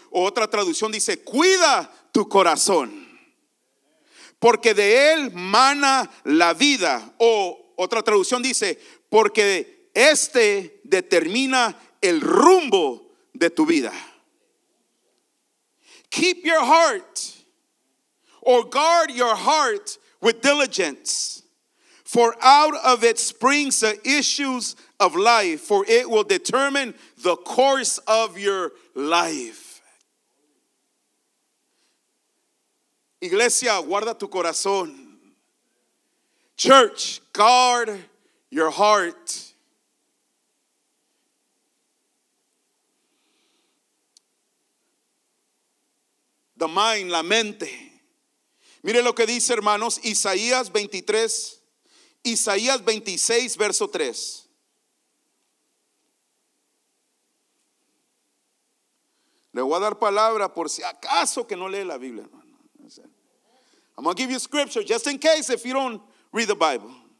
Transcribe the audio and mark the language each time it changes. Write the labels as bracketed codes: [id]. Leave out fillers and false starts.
[es] Otra traducción dice, cuida tu corazón, porque de él mana la vida. O otra traducción dice, porque este determina el rumbo de tu vida. [en] Keep your heart, or guard your heart with diligence, for out of it springs the issues of life, for it will determine the course of your life. [es] Iglesia, guarda tu corazón. [en] Church, guard your heart. The mind, [es] la mente. Mire lo que dice, hermanos, Isaías 26, verso 3. Le voy a dar palabra por si acaso que no lee la Biblia, hermano. [en] I'm going to give you scripture just in case if you don't read the Bible.